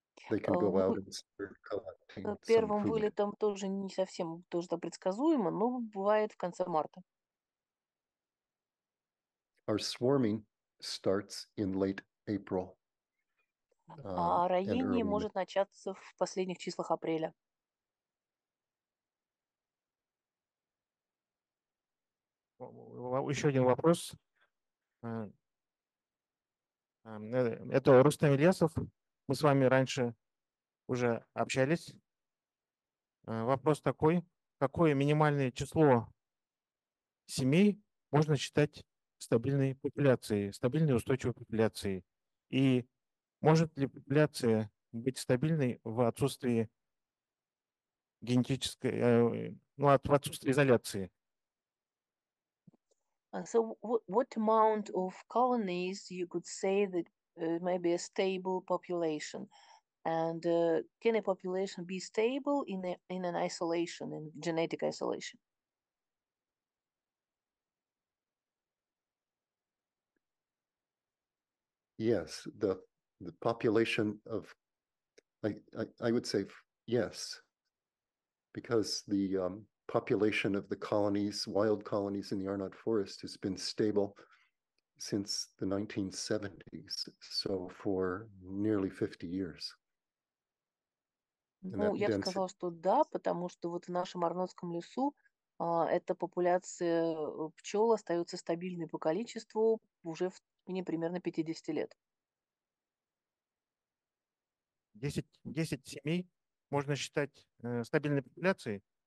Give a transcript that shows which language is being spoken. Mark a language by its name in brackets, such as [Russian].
[English] They can go out and start collecting some food. [Russian] Первым вылетом тоже не совсем тоже предсказуемо, но бывает в конце марта. [English] Our swarming starts in late April. [Russian] А роение может начаться в последних числах апреля. Еще один вопрос. Это Рустам Ильясов. Мы с вами раньше уже общались. Вопрос такой: какое минимальное число семей можно считать стабильной популяцией, стабильной устойчивой популяцией? И может ли популяция быть стабильной в отсутствии генетической, ну, в отсутствии изоляции? [English] So what amount of colonies you could say that may be a stable population? And can a population be stable in an isolation, in genetic isolation? Yes, the population of, I would say yes, because the population of the colonies, wild colonies in the Arnott Forest has been stable since the 1970s, so for nearly 50 years. [Russian] Ну, я бы сказала, что да, потому что вот в нашем Арнотском лесу эта популяция пчел остается стабильной по количеству уже в течение примерно 50 лет. 10 семей можно считать стабильной популяцией?